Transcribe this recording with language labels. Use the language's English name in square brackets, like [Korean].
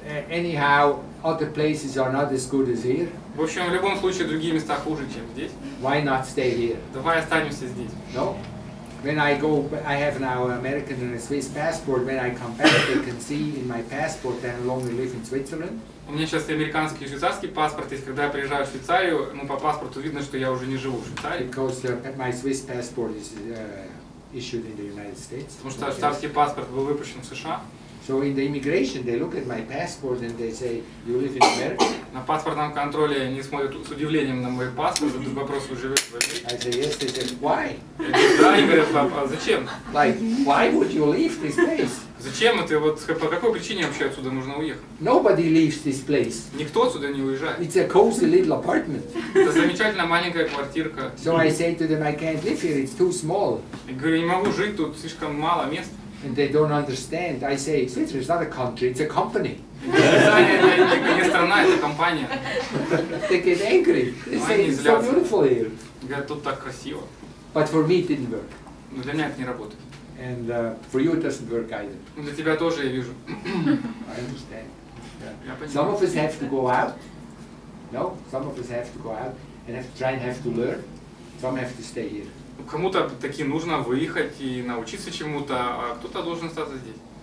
[English] Anyhow, other places are not as good as here. [Russian] В общем, в любом случае, другие места хуже, чем здесь. [English] Why not stay here? [Russian] Давай останемся здесь. [English] No. When I go, I have now an American and a Swiss passport. When I come back, they can see in my passport that I longer live in Switzerland. [Russian] У меня сейчас американский и швейцарский паспорт, и когда я приезжаю в Швейцарию, ну по паспорту видно, что я уже не живу в Швейцарии. [English] Because my Swiss passport is issued in the United States. [Russian] Потому что швейцарский паспорт был выпущен в США. [English] So in the immigration they look at my passport and they say you live in America. [Russian] На паспортном контроле они смотрят с удивлением на мой паспорт, задают вопрос, вы живете в Америке. [English] I say yes, they say why? [Russian] Да, и говорят, папа, зачем? [English] Like why would you leave this place? [Russian] Зачем это? Вот по какой причине вообще отсюда нужно уехать? [English] Nobody leaves this place. [Russian] Никто отсюда не уезжает. [English] It's a cozy little apartment. [Russian] Это замечательная маленькая квартирка. [English] So I say to them, I can't live here. It's too small. [Russian] Я говорю, не могу жить тут, слишком мало мест. [English] And they don't understand. I say, Switzerland is not a country. It's a company. [Russian] Это не страна, это компания. [English] They get angry. They say, it's so beautiful here. [Russian] Говорят, тут так красиво. [English] But for me, it didn't work. [Russian] Но для меня это не работает. [English] And for you it doesn't work either. [Russian] Для тебя тоже я вижу. [English] I understand. Yeah. Some of us have to go out. No, some of us have to go out and have to try and have to learn. Some have to stay here. [Russian] Ну, кому-то таки нужно выехать и научиться чему-то, а кто-то должен остаться здесь.